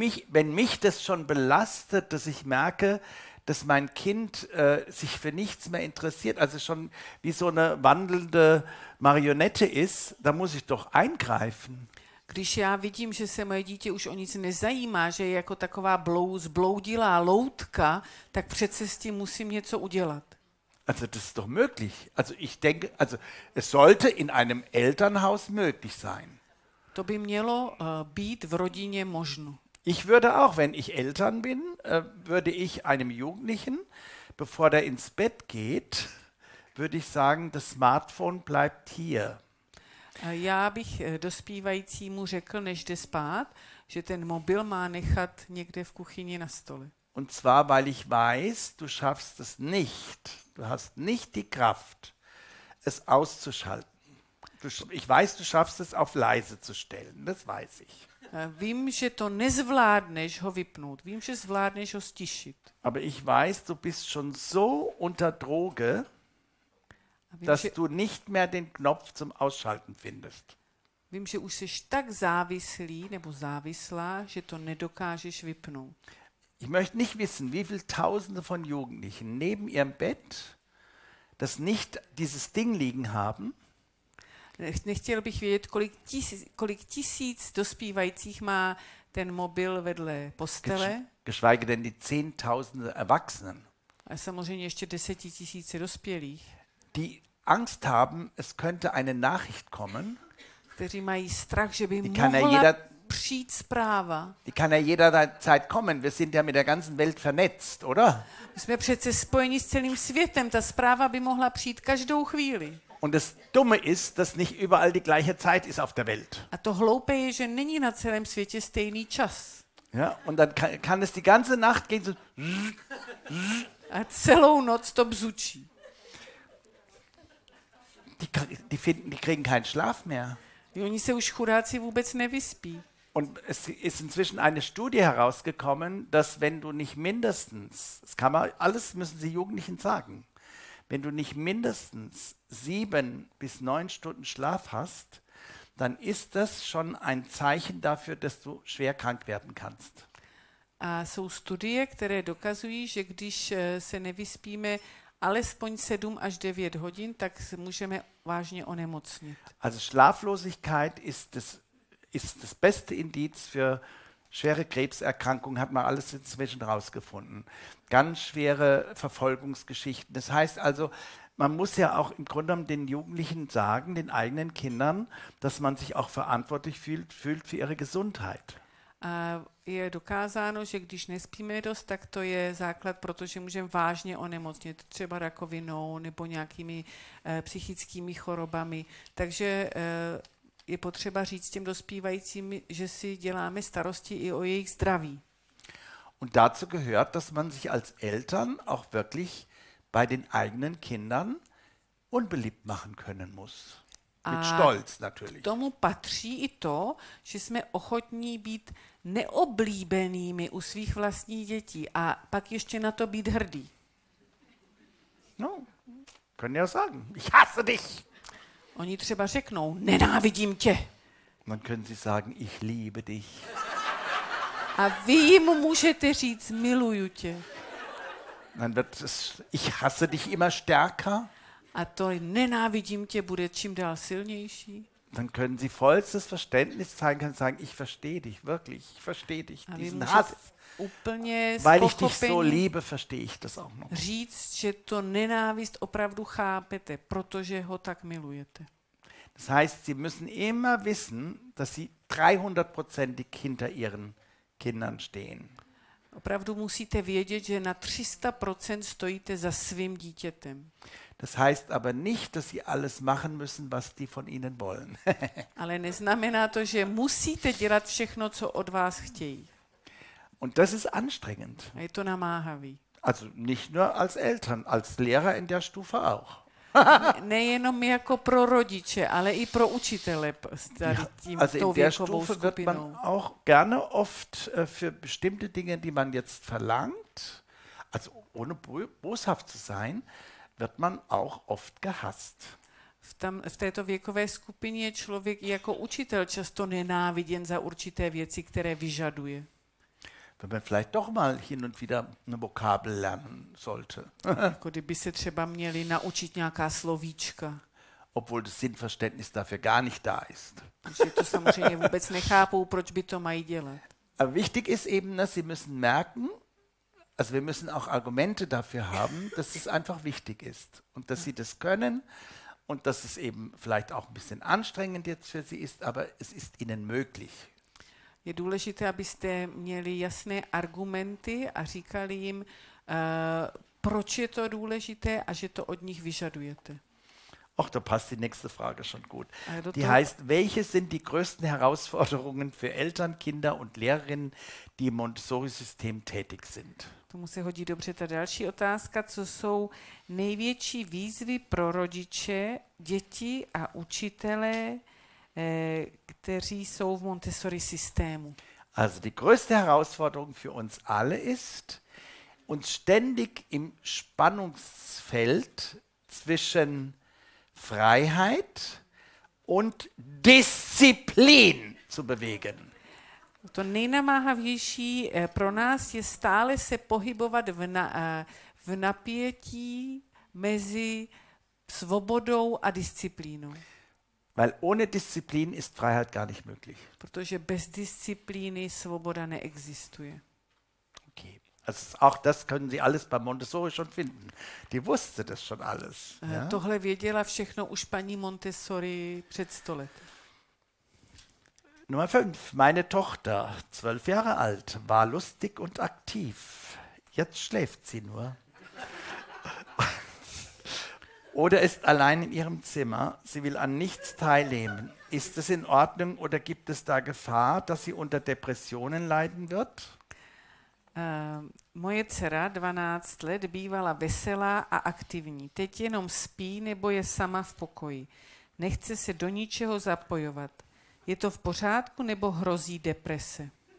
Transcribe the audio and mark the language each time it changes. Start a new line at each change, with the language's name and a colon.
German: Wenn mich das schon belastet, dass ich merke, dass mein Kind sich für nichts mehr interessiert, also schon wie so eine wandelnde Marionette ist, da muss ich doch eingreifen.
Czech: Když já vidím, že se moje dítě už o nic nezajímá, že je jako taková zbloudilá loutka, tak přece s tím musím něco udělat.
German: Also das ist doch möglich. Also ich denke, also es sollte in einem Elternhaus möglich sein.
Czech: To by mělo být v rodině možno.
German: Ich würde auch, wenn ich Eltern bin, würde ich einem Jugendlichen, bevor der ins Bett geht, würde ich sagen, das Smartphone bleibt hier.
Czech: Já bych dospívajícímu řekl, než jde spát, že ten mobil má nechat někde v kuchyni na stole.
German: Und zwar, weil ich weiß, du schaffst es nicht. Du hast nicht die Kraft, es auszuschalten. Ich weiß, du schaffst es auf leise zu stellen, das weiß ich.
Czech: Vím, že to nezvládneš ho vypnout. Vím, že zvládneš ho stišit.
German: Aber ich weiß, du bist schon so unter Droge, dass du nicht mehr den Knopf zum Ausschalten findest.
Czech: Vím, že už jsi tak závislý nebo závislá, že to nedokážeš vypnout.
German: Ich möchte nicht wissen, wie viele Tausende von Jugendlichen neben ihrem Bett, das nicht dieses Ding liegen haben.
Czech: Nechtěl bych vědět, kolik tisíc dospívajících má ten mobil vedle postele.
German: Geschweige denn die Zehntausende Erwachsenen.
Czech: A samozřejmě ještě desetitisíce dospělých.
German: Die Angst haben, es könnte eine Nachricht kommen.
Czech: Kteří mají strach, že by mohla přijít zpráva.
German: Die kann ja jederzeit kommen. Wir sind ja mit der ganzen Welt vernetzt, oder?
Czech: Jsme přece spojeni s celým světem. Ta zpráva by mohla přijít každou chvíli.
German: Und das Dumme ist, dass nicht überall die gleiche Zeit ist auf der Welt.
Czech: A to hloupé je, že není na celém světě stejný čas.
German: Ja, und dann kann es die ganze Nacht gehen so.
Czech: A celou noc to bzučí.
German: Die kriegen keinen Schlaf mehr.
Czech: Oni se už chudáci vůbec nevyspí.
German: Und es ist inzwischen eine Studie herausgekommen, dass wenn du nicht mindestens, das kann man, alles müssen sie Jugendlichen sagen, wenn du nicht mindestens 7 bis 9 Stunden Schlaf hast, dann ist das schon ein Zeichen dafür, dass du schwer krank werden kannst.
Czech: A jsou studie, které dokazují, že když se nevyspíme alespoň 7 až 9 hodin, tak můžeme vážně onemocnit.
German: Also Schlaflosigkeit ist das beste Indiz für schwere Krebserkrankungen, hat man alles inzwischen rausgefunden. Ganz schwere Verfolgungsgeschichten. Das heißt also, man muss ja auch im Grunde genommen den Jugendlichen sagen, den eigenen Kindern, dass man sich auch verantwortlich fühlt für ihre Gesundheit.
Czech: Je dokázáno, že když nespíme dost, tak to je základ, protože můžeme vážně onemocnit třeba rakovinou nebo nějakými psychickými chorobami. Takže je potřeba říct těm dospívajícím, že si děláme starosti i o jejich zdraví.
German: Und dazu gehört, dass man sich als Eltern auch wirklich bei den eigenen Kindern unbeliebt machen können muss. Mit Stolz natürlich.
Czech: K tomu patří i to, že jsme ochotní být neoblíbenými u svých vlastních dětí a pak ještě na to být hrdý.
German: No, können ja sagen, ich hasse dich.
Czech: Oni třeba řeknou, nenávidím tě.
German: Man können sie sagen, ich liebe dich.
Czech: A vy jim můžete říct, miluju tě.
German: Dann wird es, ich hasse dich immer stärker.
Czech: A to nenávidím tě bude čím dál silnější.
German: Dann können sie vollstes Verständnis zeigen und sagen, ich verstehe dich, wirklich, ich verstehe dich, diesen Hass.
Czech: Úplně
German: weil ich dich so liebe, verstehe ich das auch noch.
Czech: Říct, že to nenávist opravdu chápete, protože ho tak milujete.
German: Das heißt, sie müssen immer wissen, dass sie 300%ig hinter ihren Kindern stehen.
Czech: Opravdu musíte vědět, že na 300% stojíte za svým dítětem.
German: Das heißt aber nicht, dass sie alles machen müssen, was die von ihnen wollen.
Czech: Ale neznamená to, že musíte dělat všechno, co od vás chtějí.
German: Und das ist anstrengend.
Czech: A je to namáhavý.
German: Also nicht nur als Eltern, als Lehrer in der Stufe auch.
Czech: Nejenom jako pro rodiče, ale i pro učitele s tím, also tou věkovou skupinou.
German: Wird man auch gerne oft für bestimmte Dinge, die man jetzt verlangt, also ohne boshaft zu sein, wird man auch oft gehasst.
Czech: V této věkové skupině člověk jako učitel často nenáviděn za určité věci, které vyžaduje.
German: Wenn man vielleicht doch mal hin und wieder eine Vokabel lernen sollte.
Czech: Kdyby se třeba měli naučit nějaká slovíčka.
German: Obwohl das Sinnverständnis dafür gar nicht da ist.
Czech: To samozřejmě vůbec nechápou, proč by to mají dělat.
German: Aber wichtig ist eben, dass sie müssen merken, also wir müssen auch Argumente dafür haben, dass es einfach wichtig ist und dass sie das können und dass es eben vielleicht auch ein bisschen anstrengend jetzt für sie ist, aber es ist ihnen möglich.
Czech: Je důležité, abyste měli jasné argumenty a říkali jim, proč je to důležité a že to od nich vyžadujete.
German: Ach, da passt die nächste Frage schon gut. Die heißt, welche sind die größten Herausforderungen für Eltern, Kinder und Lehrerinnen, die im Montessori-System tätig sind?
Czech: Tomu se hodí dobře ta další otázka, co jsou největší výzvy pro rodiče, děti a učitele, kteří jsou v Montessori systému.
German: Also die größte Herausforderung für uns alle ist, uns ständig im Spannungsfeld zwischen Freiheit und Disziplin zu bewegen.
Czech: To nejnamáhavější pro nás je stále se pohybovat v napětí mezi svobodou a disciplínou.
German: Weil ohne Disziplin ist Freiheit gar nicht möglich.
Czech: Protože bez disciplíny svoboda neexistuje. Okay.
German: Also auch das können Sie alles bei Montessori schon finden. Die wusste das schon alles. Ja?
Czech: Tohle věděla všechno už paní Montessori před 100 let.
German: Nummer 5. Meine Tochter, 12 Jahre alt, war lustig und aktiv. Jetzt schläft sie nur. Oder ist allein in ihrem Zimmer, sie will an nichts teilnehmen. Ist es in Ordnung oder gibt es da Gefahr, dass sie unter Depressionen leiden wird?
Czech: Moje dcera, 12 let, bývala veselá a aktivní. Teď jenom spí nebo je sama v pokoji. Nechce se do ničeho zapojovat. Je to v pořádku nebo hrozí deprese?